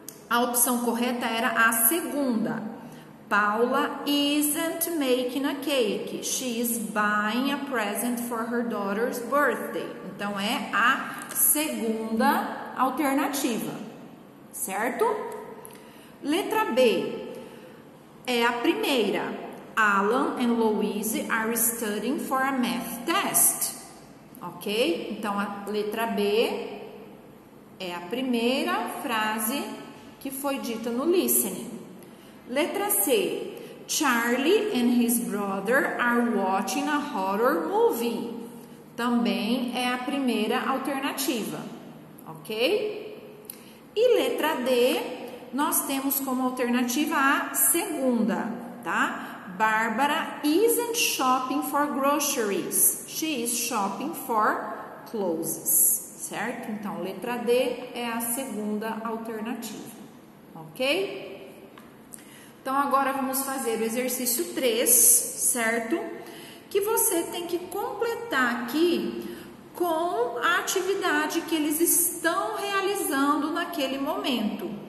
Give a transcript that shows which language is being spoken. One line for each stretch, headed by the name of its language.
Portuguese: A opção correta era a segunda.
English: Paula isn't making a cake. She's buying a present for her daughter's birthday.
Portuguese: Então é a segunda alternativa, certo? Letra B é a primeira.
English: Alan and Louise are studying for a math test.
Portuguese: Ok? Então a letra B é a primeira frase que foi dita no listening. Letra C.
English: Charlie and his brother are watching a horror movie.
Portuguese: Também é a primeira alternativa. Ok? E letra D, nós temos como alternativa a segunda, tá?
English: Barbara isn't shopping for groceries. She is shopping for clothes.
Portuguese: Certo? Então, letra D é a segunda alternativa. Ok? Então, agora vamos fazer o exercício 3, certo? Que você tem que completar aqui com a atividade que eles estão realizando naquele momento.